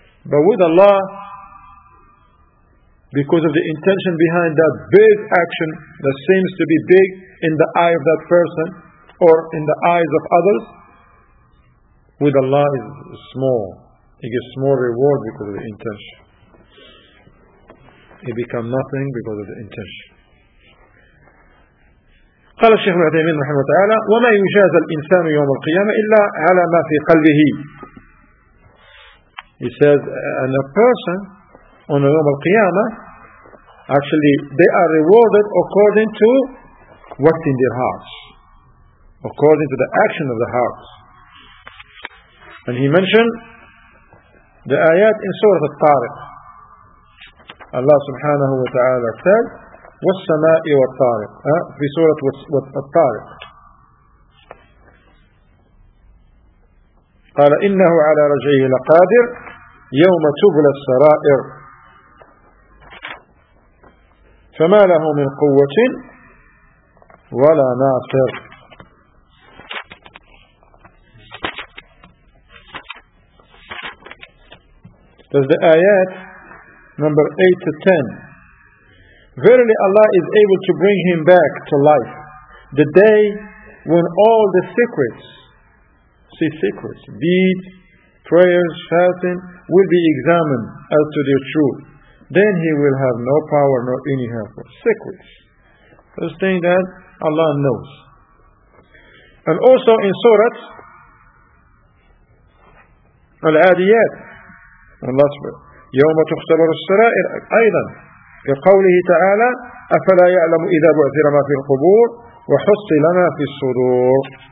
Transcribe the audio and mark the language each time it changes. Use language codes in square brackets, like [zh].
[en] But with Allah, because of the intention behind that big action that seems to be big in the eye of that person or in the eyes of others, with Allah is small. He gets small reward because of the intention. He becomes nothing because of the intention. [ar] قال الشيخ العثيمين رحمه الله تعالى وما يجازى الإنسان يوم القيامة إلا على ما في قلبه. [en] He says, and a person on the Yom al-Qiyamah, actually, they are rewarded according to what's in their hearts, according to the action of the hearts. And he mentioned the ayat in Surah Al-Tariq. Allah subhanahu wa ta'ala said, [ar] وَالسَّمَاءِ وَالطَّارِقِ. في سورة الطارق قال إِنَّهُ عَلَى رَجْعِهِ لَقَادِرٍ يوم تبلى السرائر فما له من قوة ولا ناصر. [en] Does the ayat number 8 to 10. Verily Allah is able to bring him back to life the day when all the secrets, see secrets, deeds, prayers, fasting, will be examined as to their truth. Then he will have no power nor any help. Secrets. This thing that Allah knows. And also in Surah Al-Adiyat, [ar] يَوْمَ تُخْتَبَرُ السَّرَائِرُ أَيْضًا كَقَوْلِهِ تَعَالَى أَفَلَا يَعْلَمُ إِذَا بُعْثِرَ مَا فِي الْقُبُورِ وَحُصِّلَ مَا فِي الصُّدُورِ.